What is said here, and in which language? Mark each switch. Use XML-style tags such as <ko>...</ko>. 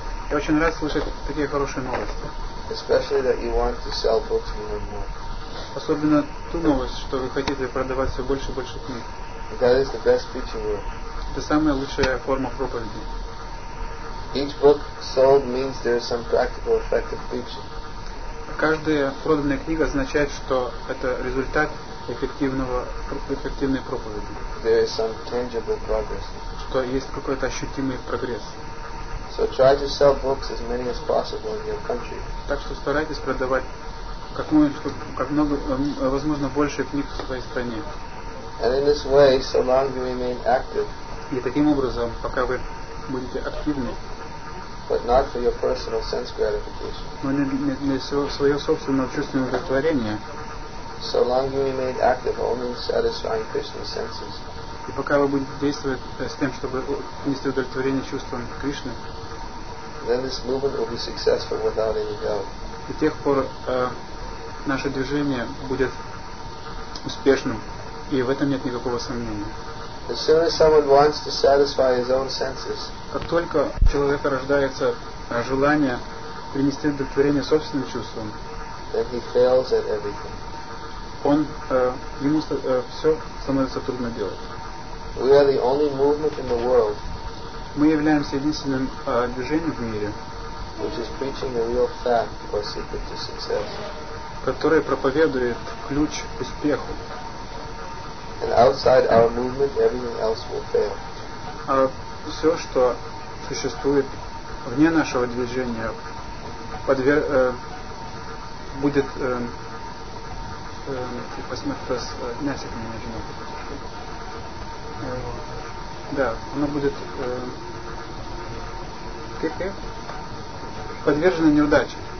<ru>Я очень рад слышать такие хорошие новости.</ru> <en>Especially that you want to sell books more and more.</en> <ru>Особенно ту новость, что вы хотите продавать все больше и больше книг.</ru> <en>That is the best preaching word.</en> <ru>Это самая лучшая форма проповеди.</ru> <en>Each book sold means there is some practical effect of preaching.</en> <ru>Каждая проданная книга означает, что это результат эффективной проповеди.</ru> <en>There is some tangible progress.</en> <ru>Что есть какой-то ощутимый прогресс.</ru> <en>So try to sell books as many as possible in your country.</en> <ru>Так что старайтесь продавать как много возможно больше книг в своей стране.</ru> <en>And in this way, so long you remain active.</en> <ru>И таким образом, пока вы будете активны.</ru> <en>But not for your personal sense gratification.</en> <ru>Но не свое собственное чувство удовлетворения.</ru> <en>So long you remain active, only satisfying Krishna's senses.</en> <ru>И пока вы будете действовать с тем, чтобы нести удовлетворение чувствам Кришны.</ru> <en>Then this movement will be successful without any doubt.</en> <ru>До тех пор наше движение будет успешным, и в этом нет никакого сомнения.</ru> <en>As soon as someone wants to satisfy his own senses.</en> <ru>Как только у человека рождается желание принести удовлетворение собственным чувствам.</ru> <en>Then he fails at everything.</en> <ru>Ему все становится трудно делать.</ru> <en>We are the only movement in the world.</en> <ru>Мы являемся единственным движением в мире,</ru> <en>which is preaching the real fact or secret to success.</en> <ru>Которое проповедует ключ к успеху.</ru> <en>And outside our movement, everything else will fail.</en> <ru>А все, что существует вне нашего движения, подвержена неудаче.</ru>